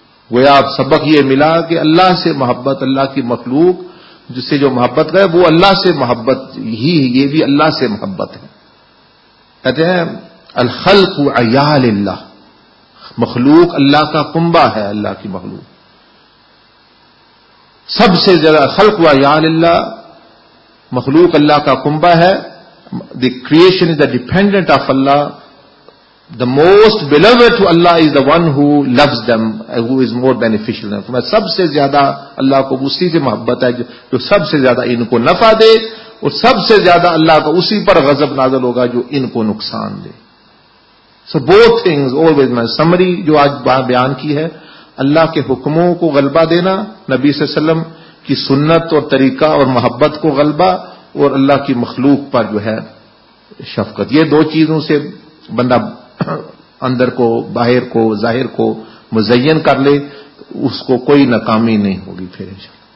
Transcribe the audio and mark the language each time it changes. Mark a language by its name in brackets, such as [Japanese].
[Urdu] گویا آپ سبق یہ ملا کہ اللہ سے محبت، اللہ کی مخلوق جس سے جو محبت کرے وہ اللہ سے محبت ہی، یہ بھی اللہ سے محبت ہے. کہتے ہیں [Arabic] الخلق عیال اللہ، [Urdu] مخلوق اللہ کا کنبہ ہے، اللہ کی مخلوق سب سے زیادہ. [Arabic] خلق و عیال اللہ، [Urdu] مخلوق اللہ کا کنبہ ہے. [English] The creation is the dependent of اللہ، the most beloved to اللہ is the one who loves them, who is more beneficial. [Urdu] سب سے زیادہ اللہ کو اسی سے محبت ہے جو سب سے زیادہ ان کو نفع دے، اور سب سے زیادہ اللہ کا اسی پر غضب نازل ہوگا جو ان کو نقصان دے. [English] so both things always, [Urdu] میں سمری جو آج بیان کی ہے، اللہ کے حکموں کو غلبہ دینا، نبی صلی اللہ علیہ وسلم کی سنت اور طریقہ اور محبت کو غلبہ، اور اللہ کی مخلوق پر جو ہے شفقت، یہ دو چیزوں سے بندہ اندر کو، باہر کو، ظاہر کو مزین کر لے، اس کو کوئی ناکامی نہیں ہوگی پھر انشاءاللہ.